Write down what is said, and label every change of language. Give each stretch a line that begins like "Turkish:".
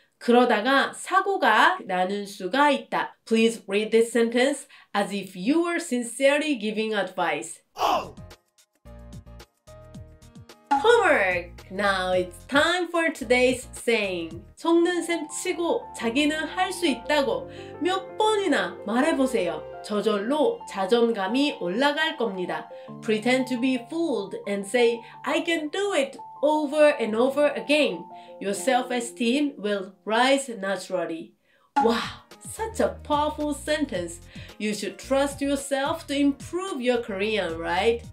Korean: 그러다가 사고가 나는 수가 있다.
English: Please read this sentence as if you were sincerely giving advice. Oh! Homework! Now it's time for today's saying.
Korean: 속는 셈 치고 자기는 할 수 있다고 몇 번이나 말해보세요. 저절로 자존감이 올라갈 겁니다.
English: Pretend to be fooled and say, I can do it over and over again. Your self-esteem will rise naturally. Wow, such a powerful sentence. You should trust yourself to improve your Korean, right?